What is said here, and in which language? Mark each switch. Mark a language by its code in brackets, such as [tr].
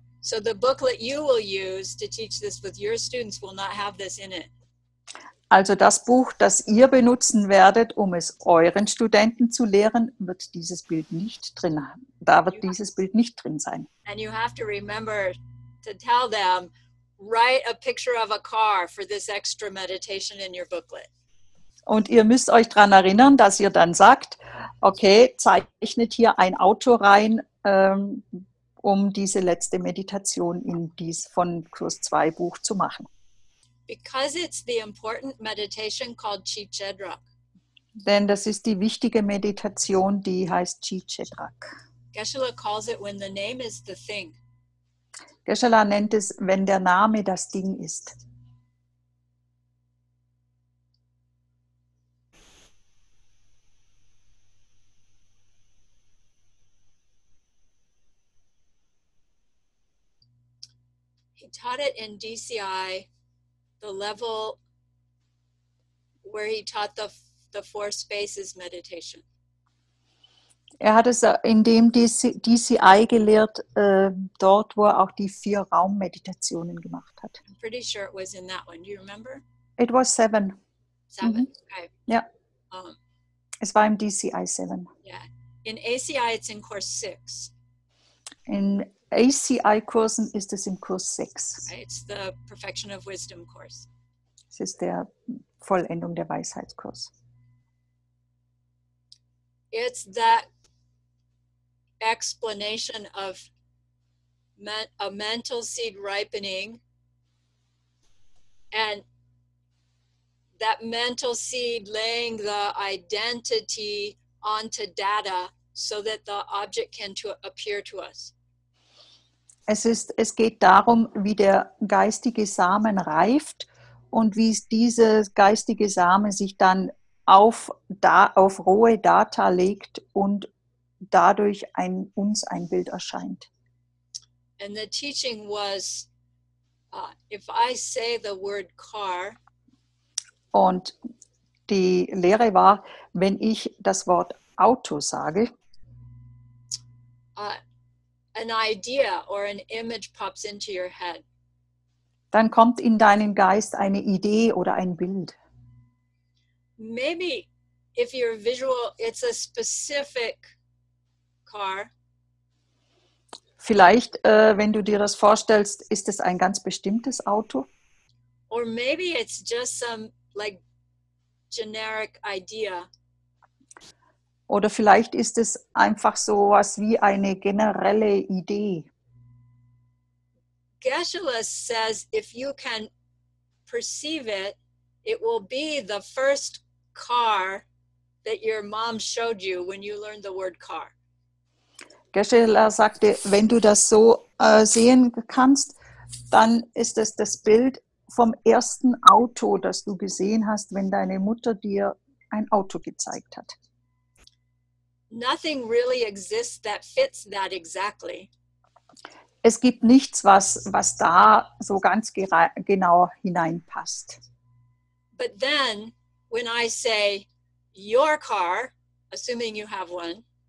[en] So the booklet you will use to teach this with your students will not have this in it. [de] Also das Buch, das ihr benutzen werdet, um es euren Studenten zu lehren, wird dieses Bild nicht drin haben. Da wird dieses Bild nicht drin sein. [en] And you have to remember to tell them, write a picture of a car for this extra meditation in your booklet. [de] Und ihr müsst euch daran erinnern, dass ihr dann sagt, okay, zeichnet hier ein Auto rein, um diese letzte Meditation in dies von Kurs 2 Buch zu machen. [en] Because it's the important meditation called Chichedrak. [de] Denn das ist die wichtige Meditation, die heißt Chichedrak. [en] Geshe-la calls it when the name is the thing. [de] Geshe-la nennt es, wenn der Name das Ding ist. [en] He taught it in DCI. The level where he taught the four spaces meditation. [de] Er hat es in dem DCI gelehrt, dort wo er auch die vier Raummeditationen gemacht hat. [en] I'm pretty sure it was in that one. Do you remember? It was seven. Seven. Mm-hmm. Okay. [de] Yeah. Es war im DCI 7. [en] Yeah. In ACI, it's in course 6. [de] In ACI-Kursen ist es im Kurs 6. [en] It's the Perfection of Wisdom course. [de] Es ist der Vollendung der Weisheitskurs. [en] It's that explanation of a mental seed ripening and that mental seed laying the identity onto data so that the object can appear to us. [de] Es geht darum, wie der geistige Samen reift und wie diese geistige Same sich dann auf rohe Data legt und dadurch uns ein Bild erscheint. [en] And the teaching was, if I say the word car, [de] und die Lehre war, wenn ich das Wort Auto sage, [en] an idea or an image pops into your head. [de] Dann kommt in deinen Geist eine Idee oder ein Bild. [en] Maybe if you're visual, it's a specific car. [de] Vielleicht, wenn du dir das vorstellst, ist es ein ganz bestimmtes Auto. [en] Or maybe it's just some like generic idea. [de] Oder vielleicht ist es einfach so was wie eine generelle Idee. [en] Geshe-la says, if you can perceive it, it will be the first car that your mom showed you when you learned the word car. [de] Geshe-la sagte, wenn du das so sehen kannst, dann ist es das Bild vom ersten Auto, das du gesehen hast, wenn deine Mutter dir ein Auto gezeigt hat. [en] Nothing really exists that fits that exactly. [de] Es gibt nichts, was da so ganz genau hineinpasst. [en] But then, when I say your car, assuming you have one.